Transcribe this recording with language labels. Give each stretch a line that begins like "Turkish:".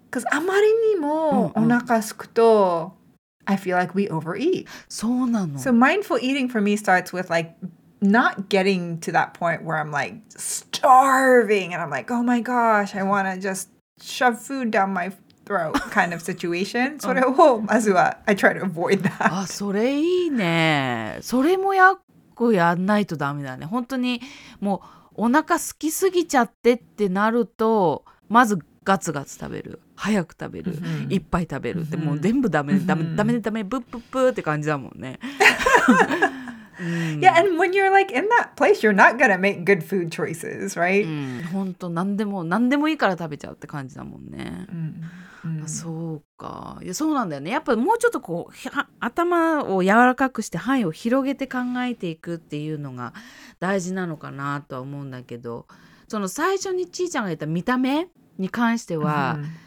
English: Because
Japanese: あまりにもお腹すくと
English: I feel like we overeat.
Japanese: そうなの。
English: So mindful eating for me starts with like not getting to that point where I'm like starving and I'm like, oh my gosh, I want to just shove food down my throat kind of situation.
Japanese: それをまずは
English: I try to avoid that.
Japanese: あ、それいいね。それもやっこやんないとダメだね。本当にもうお腹すきすぎちゃってってなるとまずガツガツ食べる。早く食べる。いっぱい食べる。でもう全部ダメ、ダメ、ダメ、ダメ、ブッブッブって感じだもんね。 Mm.
English: Yeah, and when you're like in that place, you're not gonna make good food choices, right? Mm.
Japanese: 本当、何でも、何でもいいから食べちゃうって感じだもんね。 Mm. Mm. そうか。いや、そうなんだよね。やっぱもうちょっとこう、頭を柔らかくして範囲を広げて考えていくっていうのが大事なのかなとは思うんだけど、その最初にちーちゃんが言った見た目に関しては、mm.